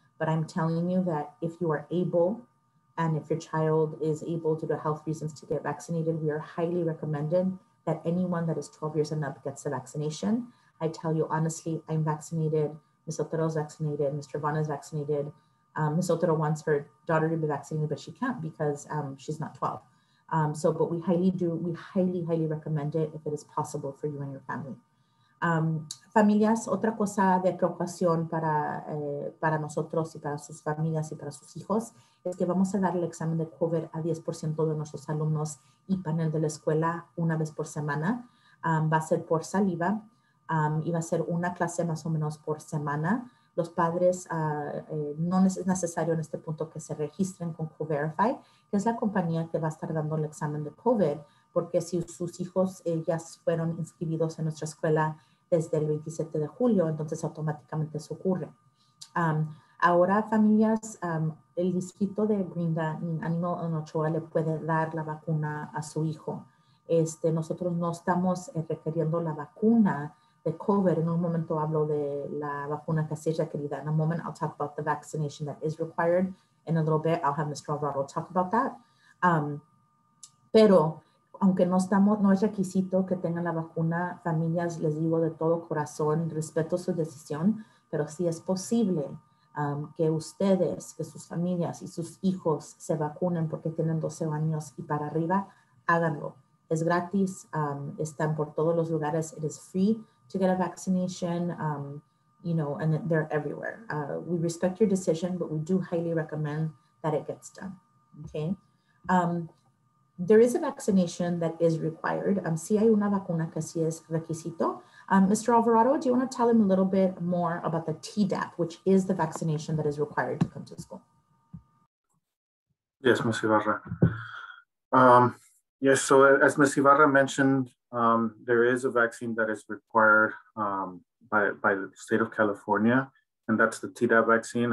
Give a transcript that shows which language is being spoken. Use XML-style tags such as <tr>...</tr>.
<en>But I'm telling you that if you are able, and if your child is able due to health reasons to get vaccinated, we are highly recommended that anyone that is 12 years and up gets the vaccination. I tell you, honestly, I'm vaccinated. Ms. Otero is vaccinated. Mr. Vaughn is vaccinated. Ms. Otero wants her daughter to be vaccinated, but she can't because she's not 12. But we highly recommend it if it is possible for you and your family.</en> <es>Familias, otra cosa de preocupación para nosotros y para sus familias y para sus hijos es que vamos a dar el examen de COVID a 10% de nuestros alumnos y panel de la escuela una vez por semana. Va a ser por saliva y va a ser una clase más o menos por semana. Los padres, no es necesario en este punto que se registren con CoVerify, que es la compañía que va a estar dando el examen de COVID, porque si sus hijos ya fueron inscribidos en nuestra escuela desde el 27 de julio, entonces automáticamente eso ocurre. Ahora, familias, el distrito de Greendale, Ánimo en Ochoa, le puede dar la vacuna a su hijo. Nosotros no estamos requiriendo la vacuna de COVID. En un momento hablo de la vacuna que se requerida.</es> <en>In a moment, I'll talk about the vaccination that is required. In a little bit, I'll have Mr. Alvarado talk about that.</en> <es>Pero, aunque no estamos, no es requisito que tengan la vacuna, familias, les digo de todo corazón, respeto su decisión, pero sí es posible que ustedes, que sus familias y sus hijos se vacunen porque tienen 12 años y para arriba, háganlo. Es gratis, están por todos los lugares,</es> <en>it is free to get a vaccination, and they're everywhere. We respect your decision, but we do highly recommend that it gets done, okay? There is a vaccination that is required.</en> <es>Sí hay una vacuna que sí es requisito.</es> <en>Mr. Alvarado, do you wanna tell him a little bit more about the Tdap, which is the vaccination that is required to come to school? Yes, Ms. Ibarra. Yes, so as Ms. Ibarra mentioned, there is a vaccine that is required by the state of California, and that's the Tdap vaccine.</en>